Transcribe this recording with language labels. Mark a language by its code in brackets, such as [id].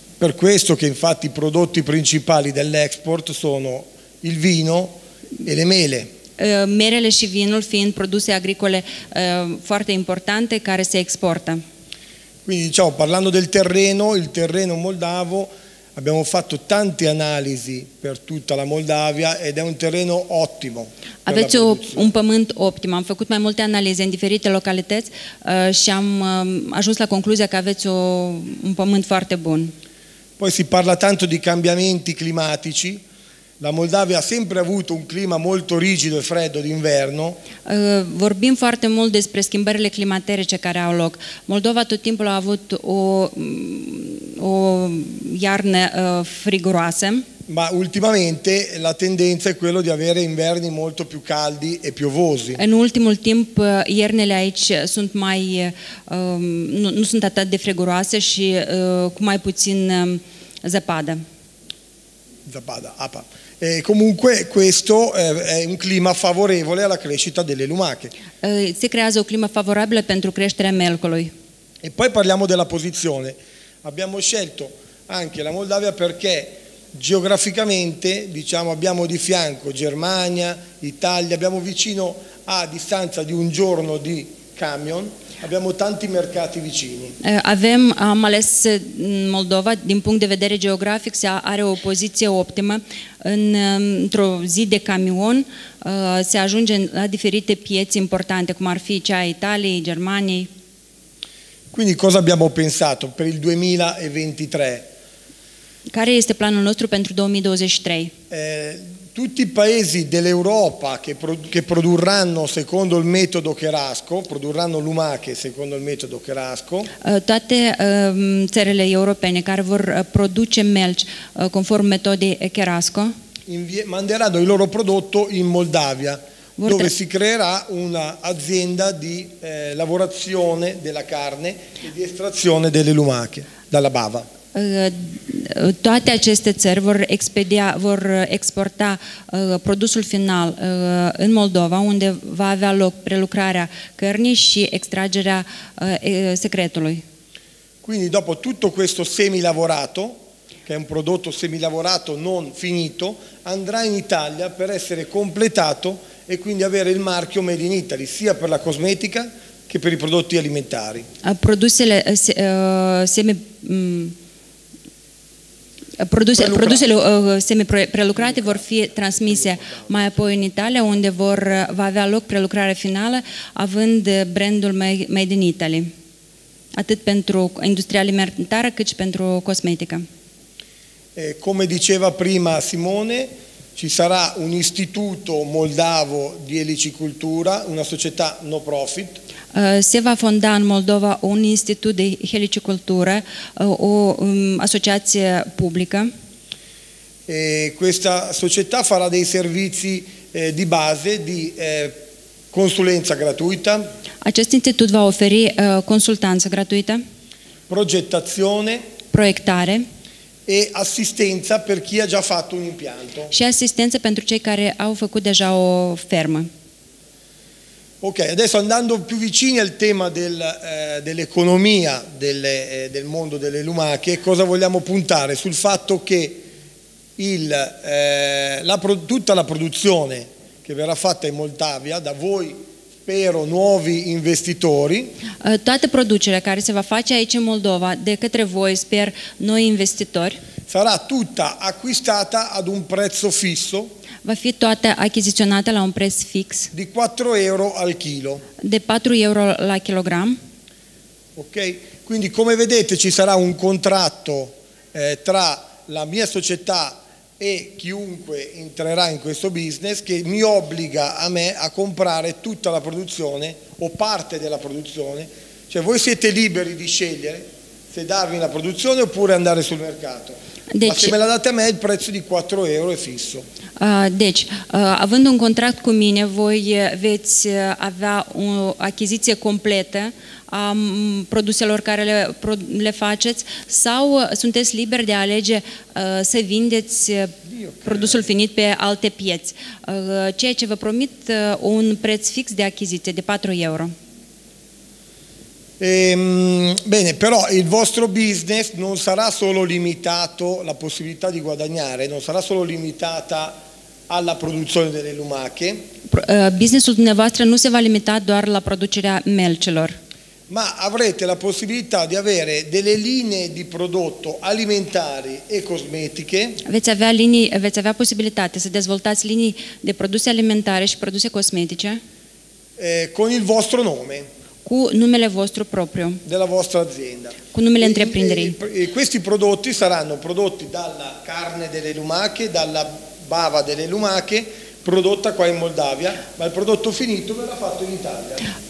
[it] Per questo che infatti i prodotti principali dell'export sono il vino e le mele. [ro] Merele și vinul fiind produse agricole foarte importante care se exportă. [it] Quindi diciamo, parlando del terreno, il terreno moldavo Abbiamo fatto tante analisi per tutta la Moldavia ed è un terreno ottimo. [ro] Aveți un pământ optim. Am făcut mai multe analize în diferite localități și am ajuns la concluzia că aveți un pământ foarte bun. [it] Poi si parla tanto di cambiamenti climatici. La Moldavia ha sempre avuto un clima molto rigido e freddo d'inverno. [ro] Vorbim foarte mult despre schimbările climaterice care au loc. Moldova tot timpul a avut o iarnă friguroasă. [it] Ma ultimamente la tendenza è quello di avere inverni molto più caldi e piovosi. In ultimo tempo [ro] iernele aici sunt mai nu sunt atât de friguroase și cu mai puțin zăpadă. Zăpadă, apa. [it] E comunque questo è un clima favorevole alla crescita delle lumache. Si crea un clima favorevole [ro] pentru creșterea melcului. [it] E poi parliamo della posizione. Abbiamo scelto anche la Moldavia perché geograficamente, diciamo, abbiamo di fianco Germania, Italia, abbiamo vicino a distanza di un giorno di camion, abbiamo tanti mercati vicini. [ro] Am ales Moldova din punct de vedere geografic, se are o poziție optimă. Într-o zi de camion se ajunge la diferite piețe importante, cum ar fi cea a Italiei, Germaniei. [it] Quindi cosa abbiamo pensato per il 2023? [ro] Care este planul nostru pentru 2023? [it] Tutti i paesi dell'Europa che produrranno secondo il metodo Cherasco, produrranno lumache secondo il metodo Cherasco. [ro] Toate țările europene care vor produce melci conform metodei Cherasco [it] manderanno il loro prodotto in Moldavia, dove si creerà una azienda di lavorazione della carne e di estrazione delle lumache dalla bava. [ro] Toate aceste țări vor exporta produsul final în Moldova, unde va avea loc prelucrarea cărnii și extragerea secretului. [it] Quindi dopo tutto questo semilavorato, che è un prodotto semilavorato non finito, andrà in Italia per essere completato e quindi avere il marchio Made in Italy, sia per la cosmetica che per i prodotti alimentari. [ro] Produsele semiprelucrate vor fi transmise mai apoi în Italia, unde va avea loc prelucrare finală, având brandul Made in Italy, atât pentru industria alimentară, cât și pentru cosmetică. [it] Come diceva prima Simone, ci sarà un istituto moldavo di elicicultura, una società no profit. [ro] Se va fonda în Moldova un institut de helicicultură, o asociație publică. [it] E questa società farà dei servizi di base, di consulenza gratuita. [ro] Acest institut va oferi consultanță gratuită. [it] Progettazione. [ro] Proiectare. [it] E assistenza per chi ha già fatto un impianto. [ro] Și asistență pentru cei care au făcut deja o fermă. [it] Ok, adesso andando più vicini al tema dell'economia del mondo delle lumache, cosa vogliamo puntare? Sul fatto che tutta la produzione che verrà fatta in Moldavia da voi, spero, nuovi investitori. [ro] Toată producerea care se va face aici în Moldova, de către voi, sper, noi investitori. [it] Sarà tutta acquistata ad un prezzo fisso. [ro] Va fi toată achiziționată la un preț fix. [it] Di 4 euro al kilo. [ro] De 4 euro la kilogram. [it] Ok, quindi come vedete ci sarà un contratto tra la mia società e chiunque entrerà in questo business che mi obbliga a me a comprare tutta la produzione o parte della produzione, cioè voi siete liberi di scegliere se darvi la produzione oppure andare sul mercato. Deci, ma se me la date a me il prezzo di 4 euro è fisso. [ro] Deci, avendo un contratto con me, voi veți avea [it] un'acquisizione completa [ro] a produselor care le faceți sau sunteți liberi de a alege să vindeți produsul finit pe alte pieți, ceea ce vă promit un preț fix de achiziție de 4 euro. [it] Bene, però il vostro business non sarà solo limitato, la possibilità di guadagnare non sarà solo limitata alla produzione delle lumache. [ro] Businessul dumneavoastră nu se va limita doar la producerea melcilor. [it] ma avrete la possibilità di avere delle linee di prodotto alimentari e cosmetiche. [ro] Veți avea linii, veți avea posibilitatea să dezvoltați linii de produse alimentare și produse cosmetice. [it] Con il vostro nome. [ro] Cu numele vostru proprio. [it] Della vostra azienda. [ro] Cu numele întreprinderii. [it] Questi prodotti saranno prodotti dalla carne delle lumache, dalla bava delle lumache, prodotta qua in Moldavia, ma il prodotto finito verrà fatto in Italia.